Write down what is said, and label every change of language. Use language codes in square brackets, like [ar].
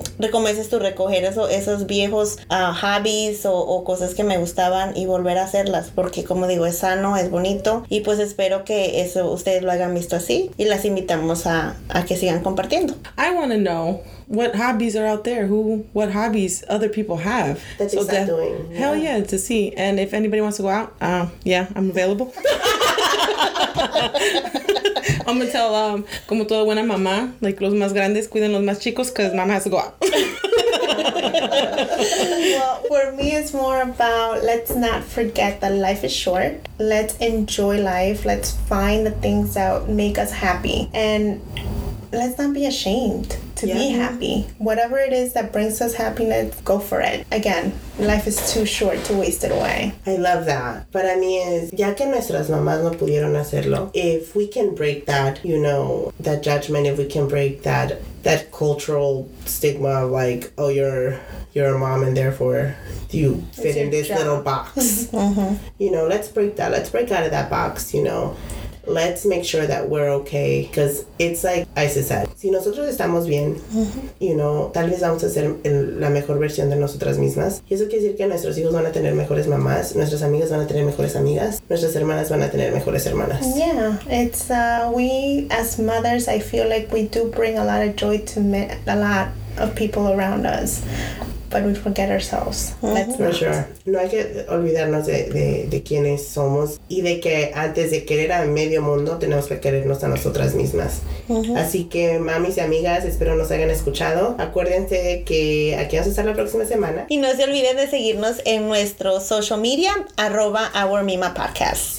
[es] comiences tú recoger esos viejos hobbies o cosas que me gustaban y volver a hacerlas, porque como digo, es sano, es bonito, y pues espero que eso ustedes lo hagan visto así y las invitamos a que sigan compartiendo. [en] I want to know what hobbies are out there, what hobbies other people have. That's so exactly doing. Yeah. Hell yeah, to see. And if anybody wants to go out, I'm available. I'm going to tell, [es] como toda buena mamá, [en] like, [es] los más grandes cuiden los más chicos, [en] because mama has to go out. Well, for me, it's more about, let's not forget that life is short. Let's enjoy life. Let's find the things that make us happy. And let's not be ashamed to be happy. Whatever it is that brings us happiness, go for it. Again, life is too short to waste it away. I love that. [es] Para mí es, ya que nuestras mamás no pudieron hacerlo, [en] if we can break that, you know, that judgment, if we can break that cultural stigma, like, oh, you're a mom and therefore you fit in this little box. You know, let's break that. Let's break out of that box, you know. Let's make sure that we're okay, because it's like Isis said, [es] si nosotros estamos bien, [en] you know, [es] tal vez vamos a ser la mejor versión de nosotras mismas. Y eso quiere decir que nuestros hijos van a tener mejores mamás, nuestras amigas van a tener mejores amigas, nuestras hermanas van a tener mejores hermanas. [en] Yeah, it's we as mothers, I feel like we do bring a lot of joy to a lot of people around us. But we forget ourselves. That's for sure. [es] No hay que olvidarnos de quiénes somos y de que antes de querer a medio mundo tenemos que querernos a nosotras mismas. Así que mamis y amigas, espero nos hayan escuchado. Acuérdense que aquí vamos a estar la próxima semana. Y no se olviden de seguirnos en nuestro social media @ourmimapodcast.